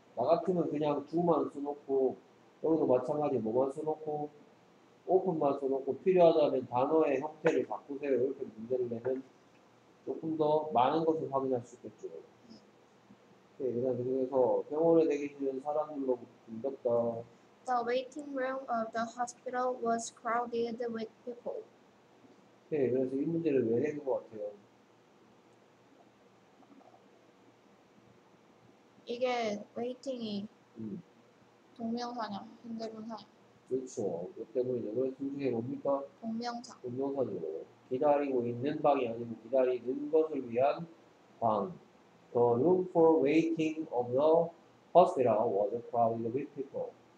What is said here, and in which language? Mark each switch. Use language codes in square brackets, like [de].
[ko] 나 같으면 그냥 두만 써놓고 여기도 마찬가지 뭐만 써놓고 오픈만 써놓고 필요하다면 단어의 형태를 바꾸세요 이렇게 문제를 내면 조금 더 많은 것을 확인할 수 있겠죠 네, 그래서 병원에 대기하는 사람들로 붐볐다 [en] The waiting room of the hospital was crowded with people [ko] 네, 그래서 이 문제를 왜 낸 것 같아요? 이게 waiting이 동명사냐, 현대분사냐 그렇죠, 그 때문이죠. 그래서 둘 중에 뭡니까? 동명사 동명사죠. 기다리고 있는 방이 아니고 기다리는 것을 위한 [en] town. The room for waiting of the hospital was crowded with people.